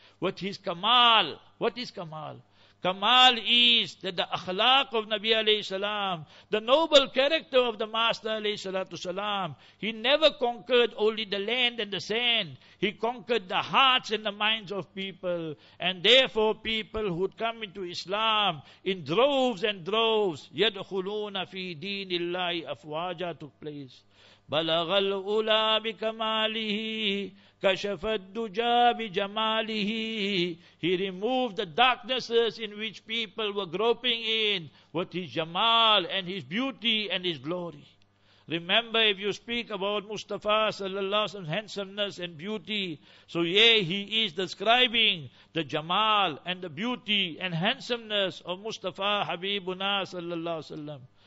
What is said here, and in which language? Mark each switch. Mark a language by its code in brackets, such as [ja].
[en] What is kamal? What is kamal? Kamal is that the akhlaq of Nabi alayhi salam, the noble character of the Master alayhi salatu salam, he never conquered only the land and the sand. He conquered the hearts and the minds of people. And therefore people who'd come into Islam in droves and droves, [ar] yadkhuluna fi deenillahi afwaja, [en] took place. [ar] بلغ الأولى بكماله كشف الدجى بجماله. [en] He removed the darknesses in which people were groping in with his jamal and his beauty and his glory. Remember, if you speak about Mustafa sallallahu alaihi wasallam's handsomeness and beauty, so yeah, he is describing the jamal and the beauty and handsomeness of Mustafa Habibuna sallallahu alaihi wasallam.